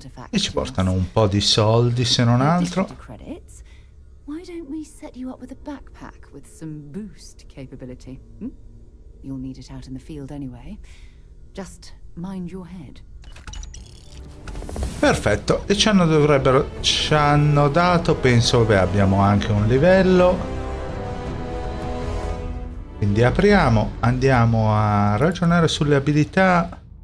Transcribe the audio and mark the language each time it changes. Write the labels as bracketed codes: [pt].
[it] E ci portano un po' di soldi, se non altro. [en] Why don't we set you up with a backpack with some boost capability? You'll need it out in the field anyway. Just mind your head. [it] Perfetto, e ci hanno dato, penso che abbiamo anche un livello. Quindi apriamo, andiamo a ragionare sulle abilità.